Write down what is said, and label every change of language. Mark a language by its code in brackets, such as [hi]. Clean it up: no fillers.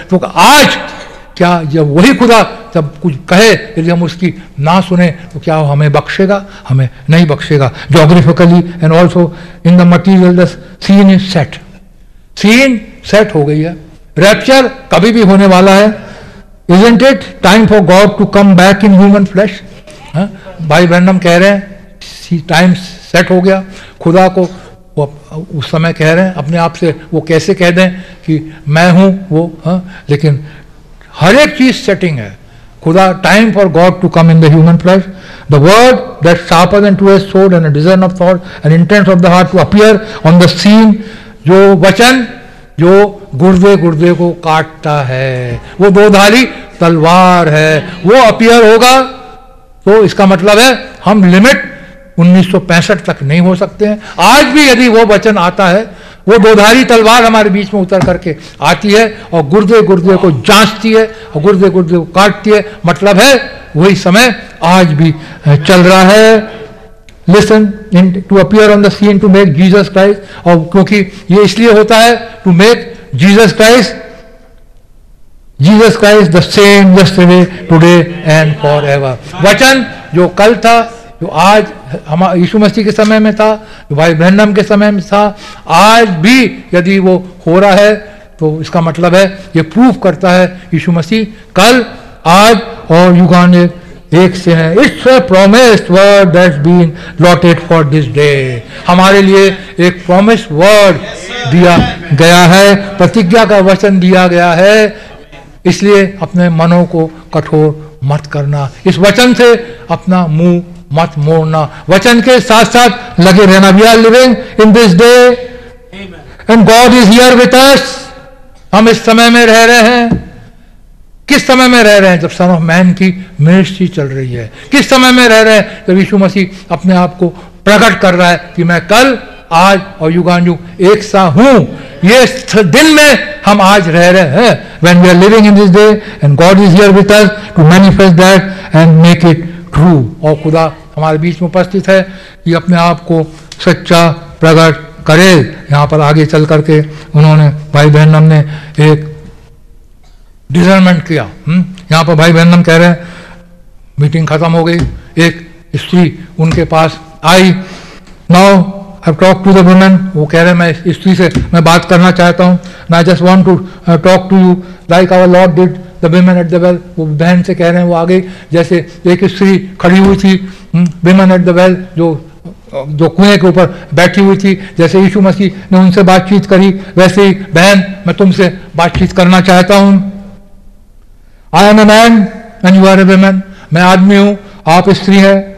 [hi] तो आज क्या जब वही खुदा जब कुछ कहे, यदि हम उसकी ना सुने तो क्या वो हमें बख्शेगा, हमें नहीं बख्शेगा। [en] geographically and also in the material the scene is set, [hi] scene set हो गई है। रैप्चर कभी भी होने वाला है। [en] Isn't it time for God to come back in human flesh? [hi] भाई ब्रैनम कह रहे हैं टाइम सेट हो गया। खुदा को वो उस समय कह रहे हैं, अपने आप से वो कैसे कह दें कि मैं हूँ वो। लेकिन हर एक चीज सेटिंग है। खुदा [en] Time for God to come in the human flesh. The word that sharper than two edged sword and a discerner of thought and intent of the heart to appear on the scene. [hi] जो वचन जो गुर्दे गुर्दे को काटता है, वो दोधारी तलवार है, वो अपीयर होगा। तो इसका मतलब है हम लिमिट 1965 तक नहीं हो सकते हैं। आज भी यदि वो वचन आता है, वो दोधारी तलवार हमारे बीच में उतर करके आती है और गुर्दे गुर्दे को जांचती है और गुर्दे गुर्दे को काटती है, मतलब है वही समय आज भी चल रहा है। [en] Listen, in, to appear on the scene to make Jesus Christ, [hi] और क्योंकि ये इसलिए होता है [en] to make Jesus Christ the same yesterday, today and forever. [hi] वचन जो कल था, जो आज हमारे यीशु मसीह के समय में था, जो भाई ब्रैनम के समय में था, आज भी यदि वो हो रहा है तो इसका मतलब है ये प्रूफ करता है यीशु मसीह कल आज और युगांतर एक से है। [en] It's a promised word that been allotted for this day. [hi] हमारे लिए एक प्रॉमिस्ड वर्ड दिया गया है, प्रतिज्ञा का वचन दिया गया है। इसलिए अपने मनों को कठोर मत करना, इस वचन से अपना मुंह मत मोड़ना, वचन के साथ साथ लगे रहना। [en] We are living in this day and God is here with us. [hi] हम इस समय में रह रहे हैं। किस समय में रह रहे हैं? जब सन ऑफ मैन की मिनिस्ट्री चल रही है। किस समय में रह रहे हैं? जब यीशु मसीह अपने आप को प्रकट कर रहा है कि मैं कल आज और युगानुयुग एक सा हूं। ये दिन में हम आज रह रहे हैं। [en] When we are living in this day and God is here with us to manifest that and make it true। [hi] और खुदा हमारे बीच में उपस्थित है कि अपने आप को सच्चा प्रकट करे। यहाँ पर आगे चल करके उन्होंने भाई बहनम ने एक डिसर्नमेंट किया। यहाँ पर भाई बहनम कह रहे हैं मीटिंग खत्म हो गई, एक स्त्री उनके पास आई। [en] now I talk to the women, [hi] वो कह रहे हैं मैं स्त्री से मैं बात करना चाहता हूँ। [en] ना I just want to talk to you like our Lord did the women at the well. [hi] वो बहन से कह रहे हैं, वो आ गई, जैसे एक स्त्री खड़ी हुई थी वुमेन एट द वेल, जो कुएं के ऊपर बैठी हुई थी, जैसे यीशु मसीह ने उनसे बातचीत करी, वैसे ही बहन मैं तुमसे बातचीत करना चाहता हूँ। [en] I am a man and you are a woman. [hi] मैं आदमी हूँ, आप स्त्री हैं।